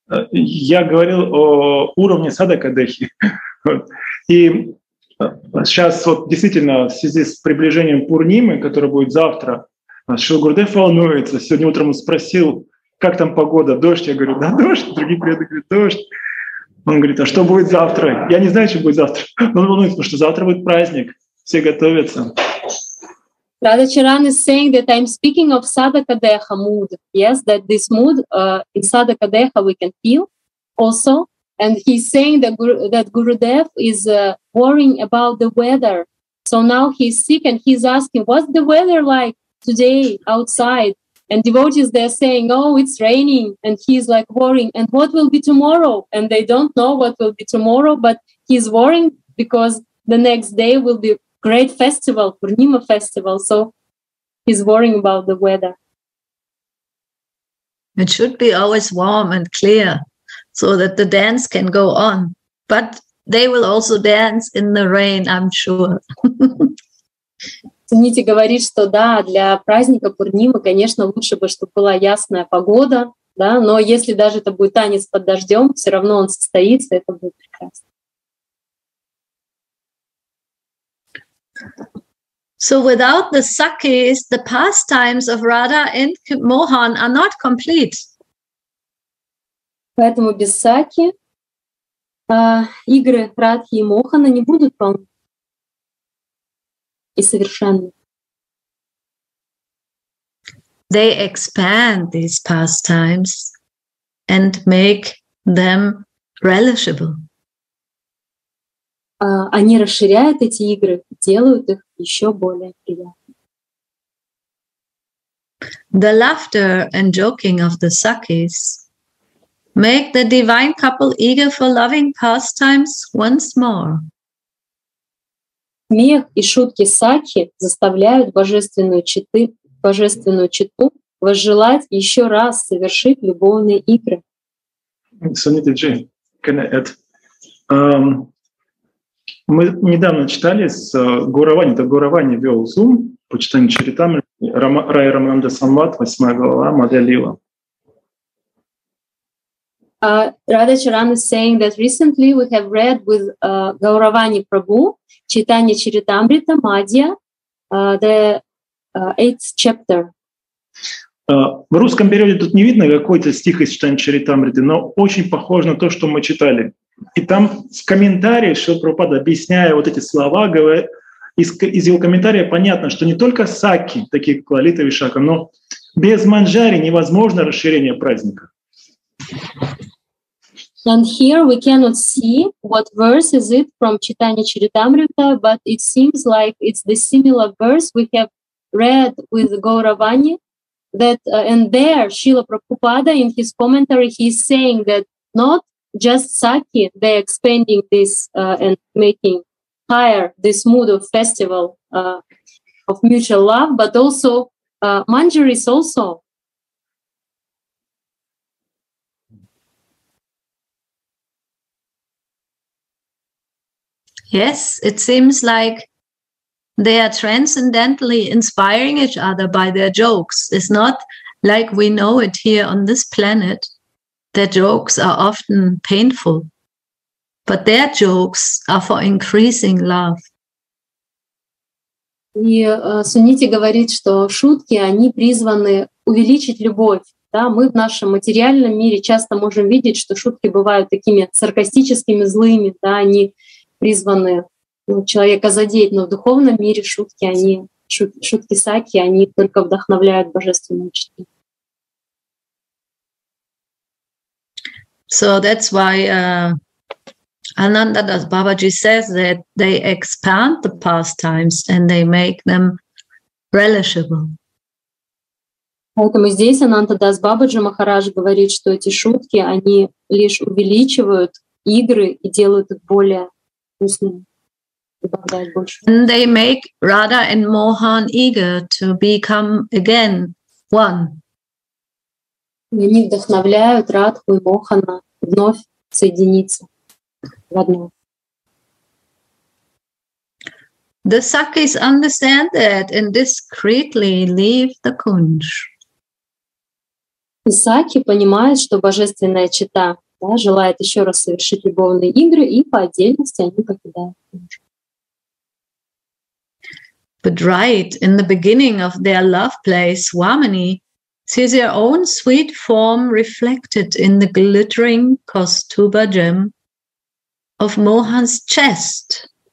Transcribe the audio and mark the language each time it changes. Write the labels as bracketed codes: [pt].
[ru] Я говорил о уровне садакадехи, и сейчас вот действительно в связи с приближением Пурнимы, которая будет завтра, Шрила Гурудев волнуется. Сегодня утром он спросил, как там погода, дождь? Я говорю, да, дождь. Другие преданные говорят, дождь. Он говорит, а что будет завтра? Я не знаю, что будет завтра. Но он волнуется, потому что завтра будет праздник. Все готовятся. [en] Radha Charan is saying that I'm speaking of Sadaka Deha mood. Yes, that this mood in Sadaka Deha we can feel also. And he's saying that Gurudev is worrying about the weather. So now he's sick and he's asking, what's the weather like today outside? And devotees, they're saying, oh, it's raining. And he's like worrying, and what will be tomorrow? And they don't know what will be tomorrow, but he's worrying because the next day will be a great festival, Purnima festival. So he's worrying about the weather. It should be always warm and clear, so that the dance can go on. But they will also dance in the rain, I'm sure. [ru] Сунити говорит, что да, для праздника Пурнимы, конечно, лучше бы, чтобы была ясная погода, да, но если даже это будет танец под дождем, все равно он состоится, это будет прекрасно. [en] So without the sakis, the pastimes of Radha and Mohan are not complete. [ru] Поэтому без саки игры Радхи и Мохана не будут полны и совершенны. [en] They expand these pastimes and make them relishable. [ru] они расширяют эти игры, делают их еще более приятными. [en] The laughter and joking of the Sakis make the divine couple eager for loving pastimes once more. [ru] Смех и шутки Сакхи заставляют божественную читу возжелать еще раз совершить любовные игры. [en] Sunita Ji, can I add? [ru] Мы недавно читали с Гуравани, это Гуравани вел Zoom, почитание Чаритамриты, Рай Рамананда Самват, 8 глава, Мадхья Лила. [en] Radha Charan is saying that recently we have read with Gauravani Prabhu, Chaitanya Charitamrita, Madhya, the eighth chapter. [ru] В русском переводе тут не видно какой-то стих из Chaitanya Charitamrita, но очень похоже на то, что мы читали. И там в комментарии Шрила Прабхупада, объясняя вот эти слова, говорит, из его комментария понятно, что не только сакхи, такие как Лалита Вишака, но без манджари невозможно расширение праздника. [en] And here we cannot see what verse is it from Chaitanya Charitamrita, but it seems like it's the similar verse we have read with Gauravani. That and there Srila Prabhupada in his commentary he is saying that not just sakhi they expanding this and making higher this mood of festival of mutual love, but also manjaris also. Yes, it seems like they are transcendentally inspiring each other by their jokes. It's not like we know it here on this planet. Their jokes are often painful, but their jokes are for increasing love. [ru] И Суннити говорит, что шутки, они призваны увеличить любовь. Да, мы в нашем материальном мире часто можем видеть, что шутки бывают такими саркастическими, злыми, да, они призваны человека задеть, но в духовном мире шутки, они, шутки сакхи, они только вдохновляют божественную чту. [en] So that's why Ananda Das Babaji says that they expand the pastimes and they make them relishable. [ru] Поэтому здесь Ананда Дас Бабаджи Махарадж говорит, что эти шутки, они лишь увеличивают игры и делают их более вкусными. [en] And they make Radha and Mohan eager to become again one. [ru] И они вдохновляют Радху и Мохана вновь соединиться в одно. [en] The Sakis understand that and discreetly leave the Kunj. [ru] Саки понимают, что божественная чита, да, желает еще раз совершить любовные игры, и по отдельности они покидают Кунж. [en] But right in the beginning of their love play, Swamini sees your own sweet form reflected in the glittering Kostuba gem of Mohan's chest.